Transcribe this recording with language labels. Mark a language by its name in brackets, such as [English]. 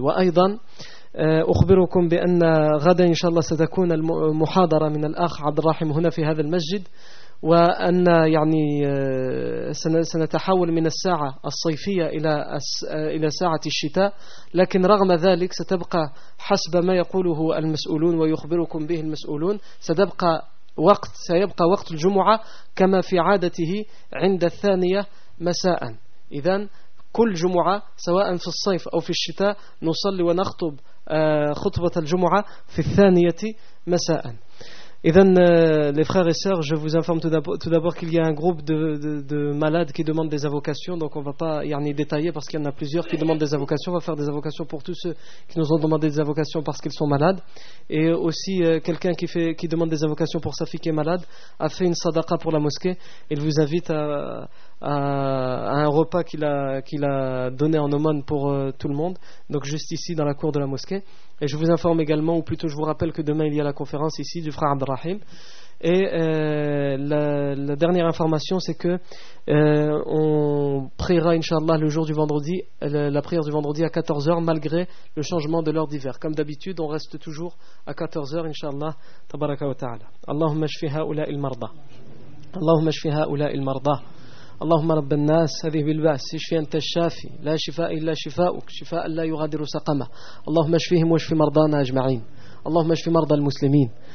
[Arabic] وأيضا أخبركم بأن غدا إن شاء الله ستكون المحاضرة من الأخ عبد الرحيم هنا في هذا المسجد، وأن يعني سنتحول من الساعة الصيفية إلى ساعة الشتاء، لكن رغم ذلك ستبقى حسب ما يقوله المسؤولون ويخبركم به المسؤولون، سيبقى وقت الجمعة كما في عادته عند الثانية مساء. إذن كل جمعة سواء في الصيف أو في الشتاء نصلي ونخطب خطبة الجمعة في الثانية مساء. [French] إذن les frères et sœurs, je vous informe tout d'abord qu'il y a un groupe de malades qui demandent des invocations, donc on ne va pas يعني détailler parce qu'il y en a plusieurs qui demandent des invocations. On va faire des invocations pour tous ceux qui nous ont demandé des invocations parce qu'ils sont malades, et aussi quelqu'un qui demande des invocations pour sa fille qui est malade a fait une sadaqa pour la mosquée. Il vous invite à à un repas qu'il a donné en aumône pour tout le monde, donc juste ici dans la cour de la mosquée. Et je vous informe également, ou plutôt je vous rappelle, que demain il y a la conférence ici du frère Abdelrahim. Et la dernière information, c'est que on priera inshallah le jour du vendredi, la prière du vendredi à 14h malgré le changement de l'heure d'hiver. Comme d'habitude, on reste toujours à 14h [Arabic] inshallah tabaraka wa ta'ala. Allahumma shfi haula il marda, Allahumma shfi haula il marda, اللهم رب الناس هذه بالبأس اشفي أنت الشافي لا شفاء إلا شفاؤك شفاء لا يغادر سقمة. اللهم اشفيهم واشفي مرضانا أجمعين. اللهم اشفي مرضى المسلمين.